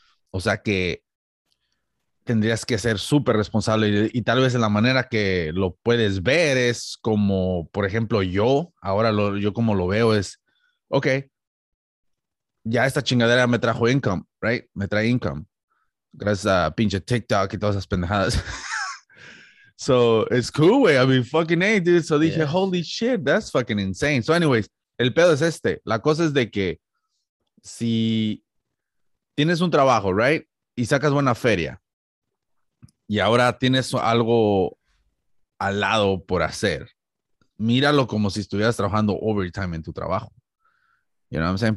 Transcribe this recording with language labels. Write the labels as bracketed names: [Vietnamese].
[Spanish] O sea que tendrías que ser súper responsable y tal vez en la manera que lo puedes ver es como, por ejemplo, yo, ahora yo como lo veo es, ok, ya esta chingadera me trajo income, right? Me trae income. Gracias a pinche TikTok y todas esas pendejadas. [English] So, it's cool, güey. I mean, fucking A, dude. So, [Spanish] dije, [English] yeah. Holy shit, that's fucking insane. So, anyways, [Spanish] el pedo es este. La cosa es de que si tienes un trabajo, right? Y sacas buena feria. Y ahora tienes algo al lado por hacer. Míralo como si estuvieras trabajando overtime en tu trabajo. [English] You know what I'm saying?